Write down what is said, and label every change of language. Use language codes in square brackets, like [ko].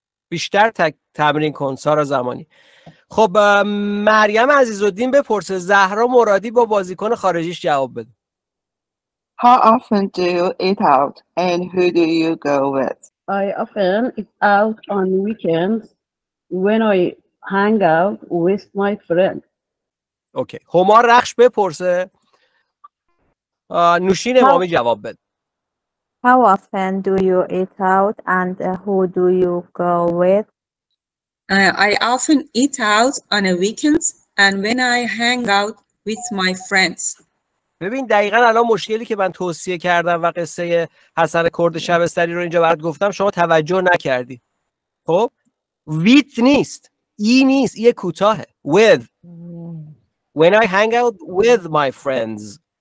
[fa] بیشتر تمرین کن سارا زمانی. خب مریم عزیزالدین بپرسه زهرا مرادی با بازیکن خارجیش جواب بده. [en] How often do you eat out and who do you go with? I often eat out on weekends when I hang out with my friend. [fa] اوکی. هما رخش بپرسه. نوشین امامی جواب بده. [en] How often do you eat out and who do you go with? I often eat out on a weekends and when I hang out with my friends. [fa] ببین دقیقاً الان مشکلی که من توصیه کردم و قصه حسن کرد شبستری رو اینجا برات گفتم شما توجه نکردی. خب with نیست، ای نیست، ای کوتاهه. [en] With. When I hang out with my friends.